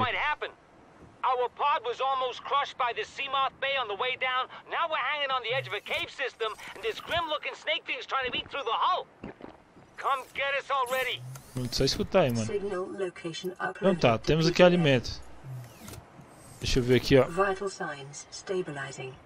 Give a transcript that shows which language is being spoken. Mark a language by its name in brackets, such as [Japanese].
[English] Our pod was almost crushed by the Seamoth Bay on the way down. Now we're hanging on the edge of a cave system and this grim-looking snake thing's trying to eat through the hull. Come get us already. [Portuguese] Não sei escutar aí, mano. Então tá, temos aqui alimento. Deixa eu ver aqui, ó. [English] Vital signs stabilizing.